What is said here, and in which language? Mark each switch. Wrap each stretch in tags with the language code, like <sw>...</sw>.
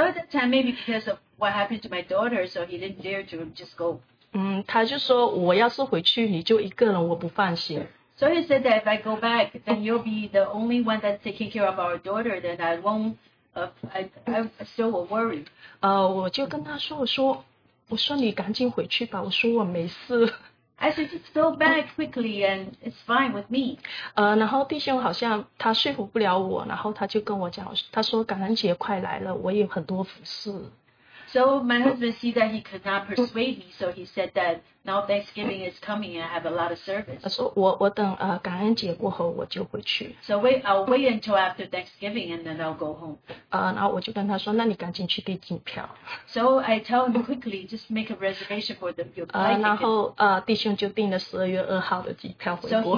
<en>at that time maybe because of what happened to my daughter, so he didn't dare to just go.</en> <zh>他就说我要是回去你就一个人我不放心。</zh> <en>So he said that if I go back, then you'll be the only one that's taking care of our daughter, then I won't, I still will worry.</en> <zh>我就跟他说，我说你赶紧回去吧，我说我没事。</zh> <en>I said, just go back quickly and it's fine with me.</en> <zh>然后弟兄好像他说服不了我，然后他就跟我讲，他说感恩节快来了，我有很多服事。</zh> <en>So my husband see that he could not persuade me, so he said that now Thanksgiving is coming and I have a lot of service.</en> <zh>他说我等感恩节过后我就回去。</zh> <en>So I'll wait until after Thanksgiving and then I'll go home.</en> <zh>然后我就跟他说，那你赶紧去订机票。</zh> <en>So I tell him quickly, just make a reservation for the flight.</en> <zh>然后弟兄就订了12月2号的机票回国。</zh>